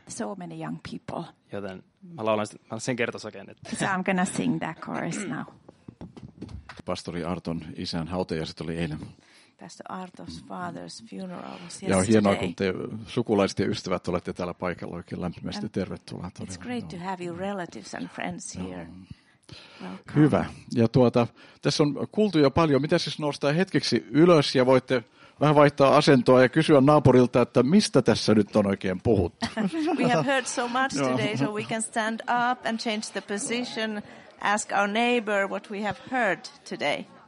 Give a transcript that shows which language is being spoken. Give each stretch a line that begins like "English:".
English: So many young people.
Finnish: Joten mä laulan sen kertosaken.
English: So I'm gonna sing that chorus now.
Finnish: Pastori Arton isän hautajaiset oli eilen.
English: Pastor Arton's father's funeral was
Finnish: yesterday. Ja on hienoa, kun te sukulaiset ja ystävät olette täällä paikalla oikein lämpimästi. Tervetuloa.
English: It's great to have your relatives and friends here.
Finnish: Hyvä. Ja tässä on kuultu jo paljon. Mitä siis nostaa hetkeksi ylös ja voitte vähän vaihtaa asentoa ja kysyä naapurilta, että mistä tässä nyt on oikein puhuttu.
English: We have heard so much today, so we can stand up and change the position. Ask our neighbor what we have heard today.